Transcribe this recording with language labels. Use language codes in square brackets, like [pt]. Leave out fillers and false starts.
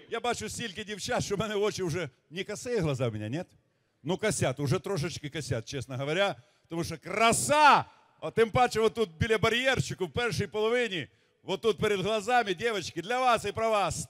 [uk] Я бачу стільки дівчат, що в мене очі вже не [ru] косые глаза у меня, нет? Ну косят, уже трошечки косят, честно говоря. [uk] Тому що краса! А тим паче вот тут біля бар'єрчику в першій половині, [ru] вот тут перед глазами, девочки, [uk] для вас і про вас.